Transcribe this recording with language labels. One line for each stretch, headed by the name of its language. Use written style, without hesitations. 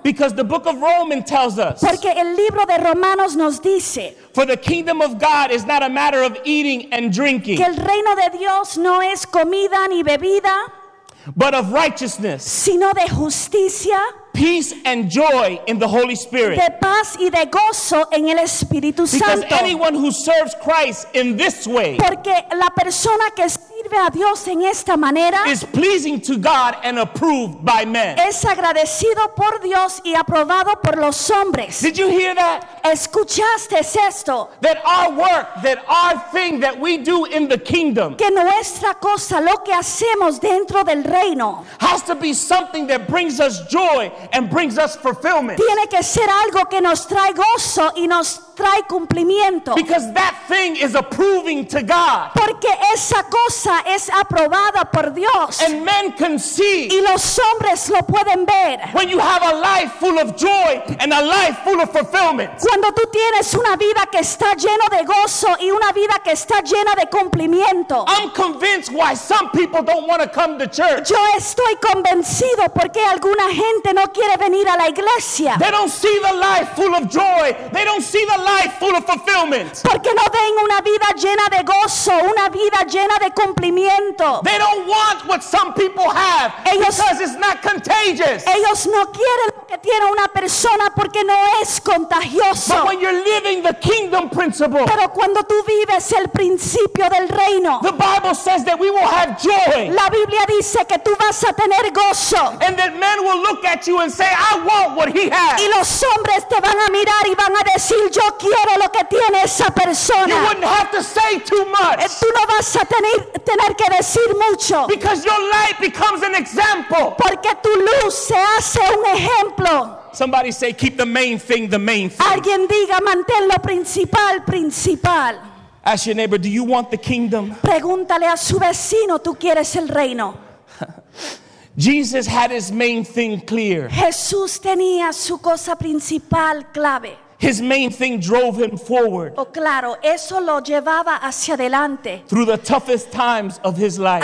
English: Because the book of Romans tells us.
Spanish: Porque el libro de Romanos nos dice.
English: For the kingdom of God is not a matter of eating and drinking.
Spanish: Que el reino de Dios no es comida ni bebida.
English: But of righteousness,
Spanish: sino de justicia,
English: peace and joy in the Holy Spirit.
Spanish: De paz y de gozo en el Espíritu Santo.
English: Because anyone who serves Christ in this way,
Spanish: porque la persona que sirve a Dios en esta manera,
English: is pleasing to God and approved by men.
Spanish: Es agradecido por Dios y aprobado por los hombres.
English: Did you hear that?
Spanish: ¿Escuchaste esto?
English: That our work, that our thing that we do in the kingdom,
Spanish: que nuestra cosa, lo que hacemos dentro del reino,
English: has to be something that brings us joy and brings us fulfillment.
Spanish: Tiene que ser algo que nos trae gozo y nos trae cumplimiento.
English: Because that thing is approving to God.
Spanish: Porque esa cosa es aprobada por Dios.
English: And men can see.
Spanish: Y los hombres lo pueden ver.
English: When you have a life full of joy and a life full of fulfillment.
Spanish: Cuando tú tienes una vida que está llena de gozo y una vida que está llena de cumplimiento.
English: I'm convinced why some people don't want to come to church.
Spanish: Yo estoy convencido porque alguna gente no quiere venir a la iglesia.
English: They don't see the life full of joy. They don't see the life full of fulfillment.
Spanish: Porque no ven una vida llena de gozo, una vida llena de cumplimiento.
English: They don't want what some people have.
Spanish: Ellos,
English: because it's not contagious.
Spanish: Ellos no quieren lo que tiene una persona porque no es contagioso.
English: But when you're living the kingdom principle,
Spanish: pero cuando tú vives el principio del reino,
English: the Bible says that we will have joy.
Spanish: La Biblia dice que tú vas a tener gozo.
English: And that men will look at you and say, I want what he has.
Spanish: Y los hombres te van a mirar y van a decir, yo quiero lo que tiene esa persona.
English: You wouldn't have to say too much.
Spanish: Tú no vas a tener que decir mucho.
English: Because your light becomes an example.
Spanish: Porque tu luz se hace un ejemplo. templo.
English: Somebody say, keep the main thing the main thing.
Spanish: Alguien diga, mantén lo principal, principal.
English: Ask your neighbor, do you want the kingdom?
Spanish: Pregúntale a su vecino, ¿tú quieres el reino?
English: Jesus had his main thing clear.
Spanish: Jesús tenía su cosa principal clave.
English: His main thing drove him forward.
Spanish: Oh, claro, eso lo llevaba hacia adelante.
English: Through the toughest times of his life.